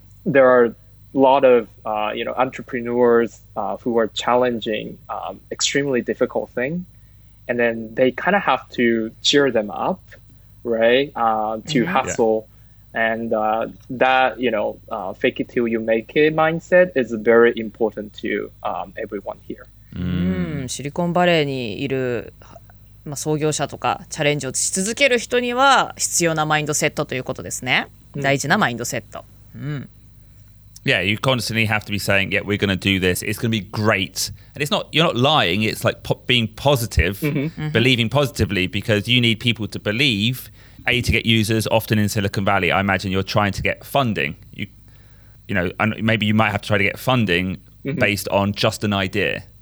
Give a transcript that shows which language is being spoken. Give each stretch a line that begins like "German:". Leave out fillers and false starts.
English: there are a lot of entrepreneurs who are challenging extremely difficult thing, and then they kind of have to cheer them up, right? To hustle. Yeah. And that, you know, fake it till you make it mindset is very important to everyone here.
Japanese: シリコンバレーにいる、まあ、創業者とかチャレンジをし続ける人には必要なマインドセットということですね。大事なマインドセット。
English: Yeah, you constantly have to be saying, yeah, we're going to do this. It's going to be great. And it's not, you're not lying. It's like being positive, believing positively, because you need people to believe. A, to get users, often in Silicon Valley, I imagine you're trying to get funding. You know, and maybe you might have to try to get funding based on just an idea.